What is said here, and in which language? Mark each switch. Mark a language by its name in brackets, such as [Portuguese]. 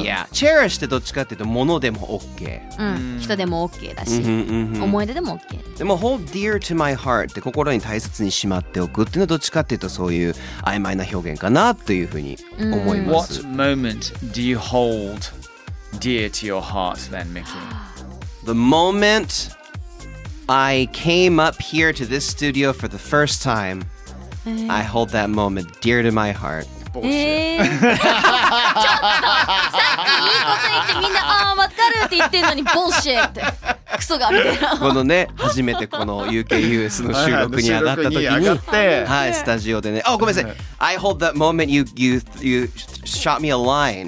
[Japanese] いや、チェリッシュってどっちかっていうと物でも OK、うん、人でも OK だし、うんうんうん、思い出でも OK。でも [English] Hold dear to my heart [Japanese] って心に大切にしまっておくっていうのはどっちかっていうとそういう曖昧な表現かなというふうに思います、うん、 [English] What moment do you hold dear to your heart then, Mickey? The moment I came up here to this studio for the first time, I hold that moment dear to my heart. Bullshit. [Japanese] ちょっとさっきいいこと言ってみんなあ分かるって言ってんのに Bullshit って。クソがみたいな。このね、初めてこの UKUS の収録に上がった時に、はい、スタジオでね、あ、ごめんなさい。 [English] I hold that moment you shot me a line.